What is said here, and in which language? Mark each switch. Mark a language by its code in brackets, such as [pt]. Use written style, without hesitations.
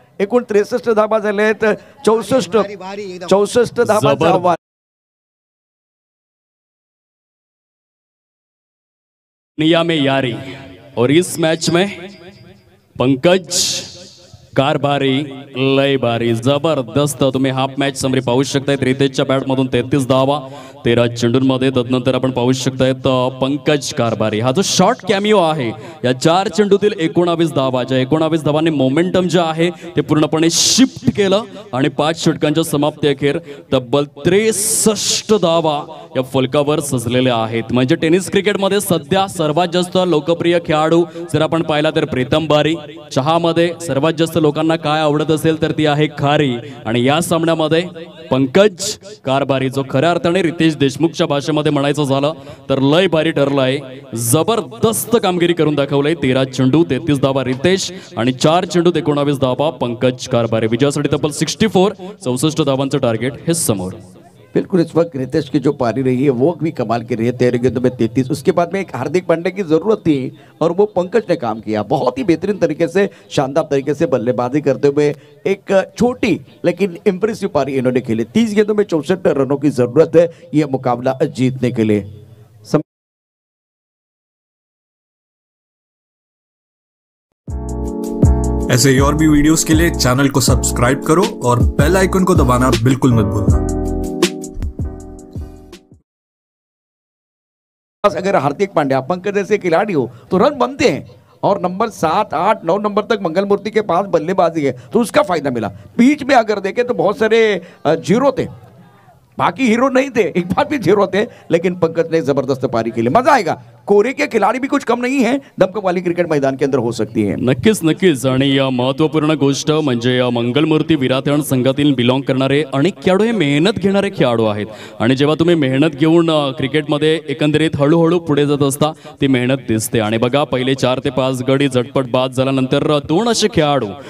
[mr] एकूण 63 धावा झालेत, 64 धावा निया में यारी। [hi] और इस मैच में पंकज कार बारी लय बारी जबरदस्त, तुम्हें हाफ मैच समरी [mr] पाहू शकता [hi] है। [mr] रितेश बैट मधुन 33 धावा 13 चेंडू मध्ये, तदनंतर आपण पाहू शकताय पंकज कारबारी हा जो शॉर्ट कॅमियो आहे या चार चेंडूतील 29 धावा, ज्या 29 धावांनी मोमेंटम जे आहे ते पूर्णपणे शिफ्ट केलं आणि 5 षटकांच्या समाप्ती अखेर तब्बल 63 धावा या फलकावर सजलेले आहेत। म्हणजे टेनिस क्रिकेटमध्ये सध्या सर्वात जास्त लोकप्रिय खेळाडू जर आपण पाहिला तर प्रीतम बारी, चहामध्ये सर्वात जास्त लोकांना काय आवडत असेल तर ती आहे खारी, आणि या सामन्यामध्ये पंकज कारबारी जो खऱ्या अर्थाने रितेश देशमुखच्या भाषेमध्ये म्हणायचं झालं तर लय भारी ठरलाय, जबरदस्त कामगिरी करून दाखवलंय। 13 चेंडू 33 धावा रितेश आणि 4 चेंडू 29 धावा पंकज कारबारी, विजयासाठी तब्बल 64 धावांचं टार्गेट हे समोर। [hi] बिल्कुल, इस वक्त रितेश की जो पारी रही है वो भी कमाल की रही है, 13 गेंदों में 33, उसके बाद में एक हार्दिक पांड्या की जरूरत थी और वो पंकज ने काम किया बहुत ही बेहतरीन तरीके से, शानदार तरीके से बल्लेबाजी करते हुए एक छोटी लेकिन इम्प्रेसिव पारी इन्होंने खेली। 30 गेंदों में 64 रनों की जरूरत है ये मुकाबला जीतने के लिए। ऐसे और भी वीडियोस के लिए चैनल को सब्सक्राइब करो और बेल आइकन को दबाना बिल्कुल मत भूलना। अगर हार्दिक पांड्या पंकज जैसे खिलाड़ी हो तो रन बनते हैं और नंबर 7, 8, 9 नंबर तक मंगल मूर्ति के पास बल्लेबाजी है तो उसका फायदा मिला। बीच में अगर देखें तो बहुत सारे जीरो थे, बाकी हीरो नहीं थे, एक बार भी जीरो थे, लेकिन पंकज ने जबरदस्त पारी खेली, मजा आएगा। कोरे के खिलाड़ी भी कुछ कम नहीं है दमकल वाली क्रिकेट मैदान के अंदर हो सकती है। [mr] नक्कीच आणि या महत्त्वपूर्ण गोष्ट म्हणजे या मंगलमूर्ती विराटण संघातील बिलॉंग करणारे अनेक खेळाडू हे मेहनत घेणारे खेळाडू आहेत आणि जेव्हा तुम्ही मेहनत घेऊन क्रिकेटमध्ये एकंदरीत हळूहळू पुढे जात असता ती मेहनत दिसते आणि बघा पहिले 4 ते 5 गडी झटपट बाद झाल्यानंतर 2 असे खेळाडू,